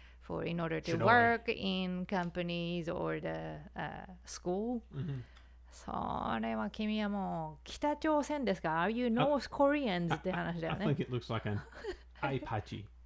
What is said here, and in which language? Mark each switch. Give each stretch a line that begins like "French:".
English: For in order to work in companies or the school、 mm-hmm.
Japanese: それは君はもう北朝鮮ですか?
English: Are you North Koreans?
Japanese: って話だよね。
English: I think it looks like an eye patchy.